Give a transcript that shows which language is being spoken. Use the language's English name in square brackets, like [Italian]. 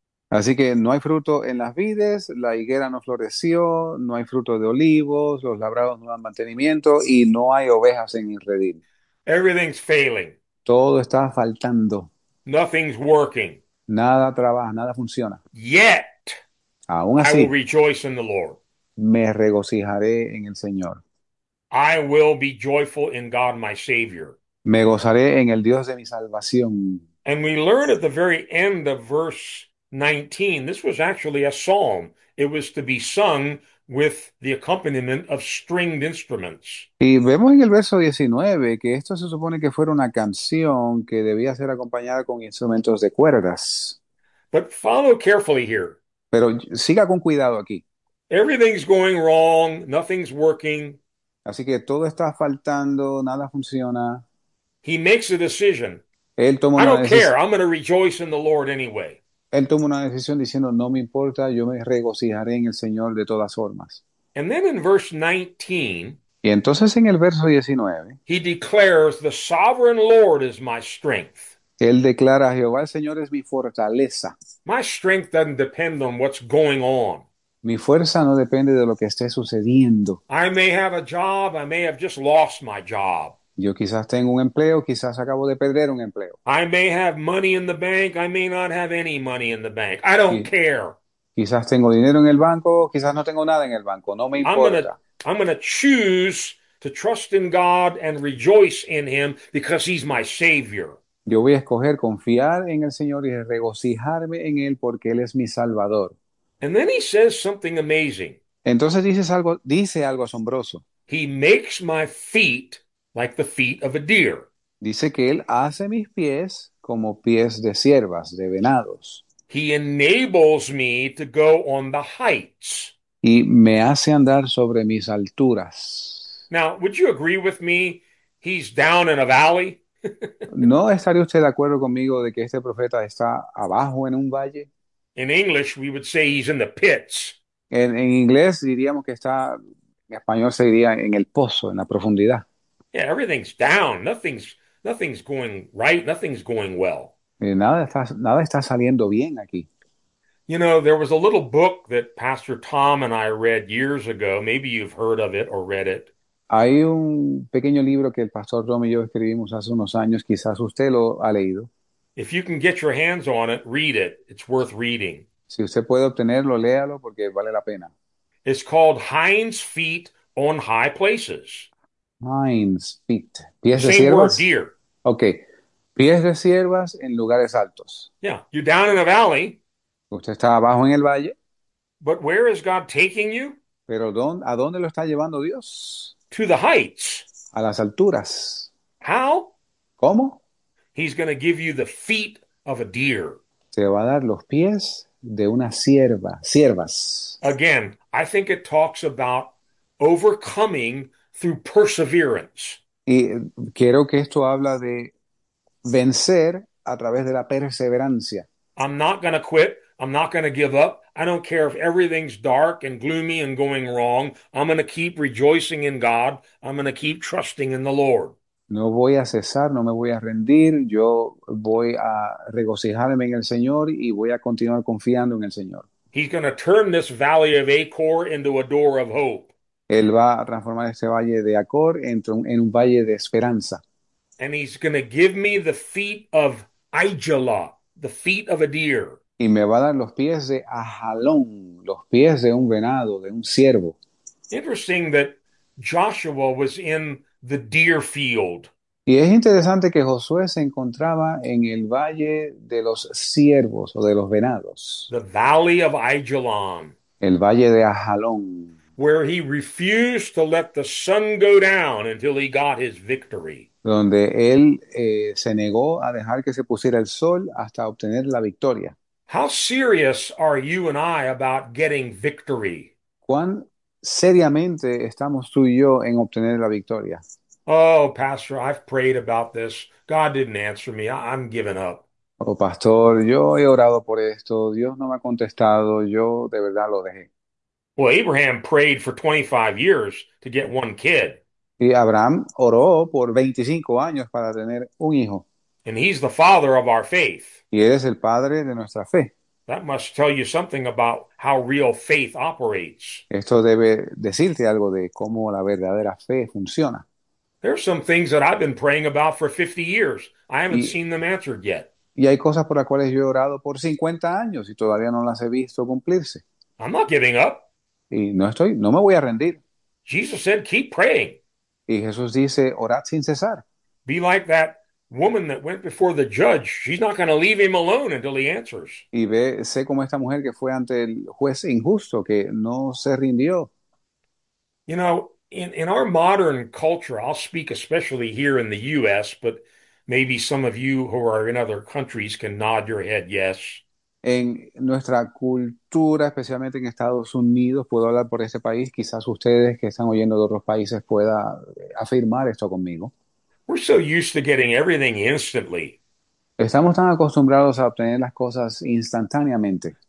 [Spanish] Así que no hay fruto en las vides, la higuera no floreció, no hay fruto de olivos, los labrados no dan mantenimiento y no hay ovejas en el redil. [English] Everything's failing. [Spanish] Todo está faltando. [English] Nothing's working. [Spanish] Nada trabaja, nada funciona. [English] Yet, [Spanish] Aún [English] I will [Spanish] así, [English] rejoice in the Lord. [Spanish] me regocijaré en el Señor. [English] I will be joyful in God my Savior. [Spanish] Me gozaré en el Dios de mi salvación. [English] And we learn at the very end of verse 19, this was actually a psalm. It was to be sung with the accompaniment of stringed instruments. [Spanish] Y vemos en el verso 19 que esto se supone que fuera una canción que debía ser acompañada con instrumentos de cuerdas. [English] But follow carefully here. [Spanish] Pero siga con cuidado aquí. [English] Everything's going wrong, nothing's working. [Spanish] Así que todo está faltando, nada funciona. [English] He makes a decision. [Spanish] Él toma [English] I [Spanish] una [English] don't care. [Spanish] decisión. [English] I'm going to rejoice in the Lord anyway. [Spanish] Él toma una decisión diciendo, no me importa, yo me regocijaré en el Señor de todas formas. [English] And then in verse 19, [Spanish] Y entonces en el verso 19, [English] he declares, "The sovereign Lord is my strength." [Spanish] él declara a Jehová, el Señor es mi fortaleza. [English] My strength doesn't depend on what's going on. [Spanish] Mi fuerza no depende de lo que esté sucediendo. [English] I may have a job. I may have just lost my job. [Spanish] Yo quizás tengo un empleo, quizás acabo de perder un empleo. [English] I may have money in the bank. I may not have any money in the bank. I don't care. [Spanish] Quizás tengo dinero en el banco, quizás no tengo nada en el banco, no me importa. [English] I'm gonna choose to trust in God and rejoice in Him because He's my Savior. [Spanish] Yo voy a escoger confiar en el Señor y regocijarme en Él porque Él es mi Salvador. [English] And then he says something amazing. [Spanish] Entonces dice algo asombroso. [English] He makes my feet like the feet of a deer. [Spanish] Dice que Él hace mis pies como pies de ciervas, de venados. [English] He enables me to go on the heights. [Spanish] Y me hace andar sobre mis alturas. [English] Now, would you agree with me? He's down in a valley. [Spanish] ¿No estaría usted de acuerdo conmigo de que este profeta está abajo en un valle? [English] In English, we would say he's in the pits. [Spanish] En inglés diríamos que está, en español se diría en el pozo, en la profundidad. [English] Yeah, everything's down. Nothing's going right. Nothing's going well. [Spanish] Y nada está saliendo bien aquí. [English] You know, there was a little book that Pastor Tom and I read years ago. Maybe you've heard of it or read it. [Spanish] Hay un pequeño libro que el pastor Tom y yo escribimos hace unos años, quizás usted lo ha leído. [English] If you can get your hands on it, read it. It's worth reading. [Spanish] Si usted puede obtenerlo, léalo porque vale la pena. [English] It's called Hinds Feet on High Places. Hinds feet, The [Spanish] pies de [English] same word, [Spanish] ciervas. [English] deer. [Spanish] Ok, pies de ciervas en lugares altos. [English] Yeah, you're down in a valley. [Spanish] Usted está abajo en el valle. [English] But where is God taking you? [Spanish] Pero ¿a dónde lo está llevando Dios? [English] To the heights. [Spanish] A las alturas. [English] How? [Spanish] ¿Cómo? [English] He's going to give you the feet of a deer. [Spanish] Te va a dar los pies de una sierva, siervas. [English] Again, I think it talks about overcoming through perseverance. [Spanish] Y quiero que esto habla de vencer a través de la perseverancia. [English] I'm not going to quit. I'm not going to give up. I don't care if everything's dark and gloomy and going wrong. I'm going to keep rejoicing in God. I'm going to keep trusting in the Lord. [Spanish] No voy a cesar, no me voy a rendir, yo voy a regocijarme en el Señor y voy a continuar confiando en el Señor. [English] He's going to turn this valley of Achor into a door of hope. [Spanish] Él va a transformar este valle de Acor en un valle de esperanza. [English] And he's going to give me the feet of Aijala, the feet of a deer. [Spanish] Y me va a dar los pies de Ajalón, los pies de un venado, de un ciervo. [English] Interesting that Joshua was in the deer field. [Spanish] Y es interesante que Josué se encontraba en el valle de los ciervos o de los [English] The [Spanish] venados, [English] Valley of Ajalon, [Spanish] el valle de Ajalón. [English] where he refused to let the sun go down until he got his victory. [Spanish] Donde él se negó a dejar que se pusiera el sol hasta obtener la victoria. [English] How serious are you and I about getting victory? [Spanish] ¿Cuán seriamente estamos tú y yo en obtener la victoria? [English] Oh, Pastor, I've prayed about this. God didn't answer me. I'm giving up. [Spanish] Oh, pastor, yo he orado por esto. Dios no me ha contestado. Yo de verdad lo dejé. [English] Well, Abraham prayed for 25 years to get one kid. [Spanish] Y Abraham oró por 25 años para tener un hijo. [English] And he's the father of our faith. [Spanish] Y él es el padre de nuestra fe. [English] That must tell you something about how real faith operates. [Spanish] Esto debe decirte algo de cómo la verdadera fe funciona. [English] There are some things that I've been praying about for 50 years. I haven't [Spanish] Y [English] seen them answered yet. [Spanish] hay cosas por las cuales yo he orado por 50 años y todavía no las he visto cumplirse. [English] I'm not giving up. [Spanish] Y no me voy a rendir. [English] Jesus said, keep praying. [Spanish] Y Jesús dice, orad sin cesar. [English] Be like that woman that went before the judge. She's not going to leave him alone until he answers. [Spanish] Y sé como esta mujer que fue ante el juez injusto, que no se rindió. [English] You know, in our modern culture, I'll speak especially here in the US, but maybe some of you who are in other countries can nod your head yes. [Spanish] En nuestra cultura, especialmente en Estados Unidos, puedo hablar por este país. Quizás ustedes que están oyendo de otros países puedan afirmar esto conmigo. [English] We're so used to getting everything instantly. [Spanish] Estamos tan acostumbrados a obtener las cosas instantáneamente.